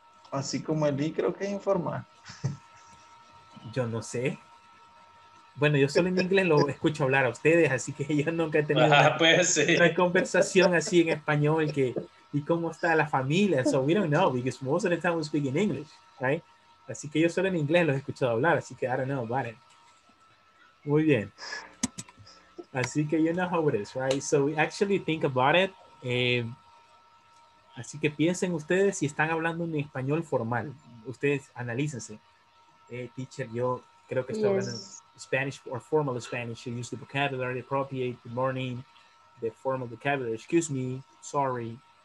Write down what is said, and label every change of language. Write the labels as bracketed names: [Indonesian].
[Spanish] Así como el I, creo que es informal. Yo no sé. Bueno, yo solo en inglés lo escucho hablar a ustedes, así que yo nunca he tenido una conversación así en español que, ¿y cómo está la familia? [English] So we don't know, because most of the time we speak in English, right? [Spanish] Así que yo solo en inglés lo he escuchado hablar, así que [English] I don't know about it. [Spanish] Muy bien. Así que [English] you know how it is, right? So we actually think about it. [Spanish] Así que piensen ustedes si están hablando en español formal. Ustedes analícense. Teacher, yo creo que estoy hablando [English] Spanish or formal Spanish. You use the vocabulary appropriate, the morning, the formal vocabulary. Excuse me, sorry.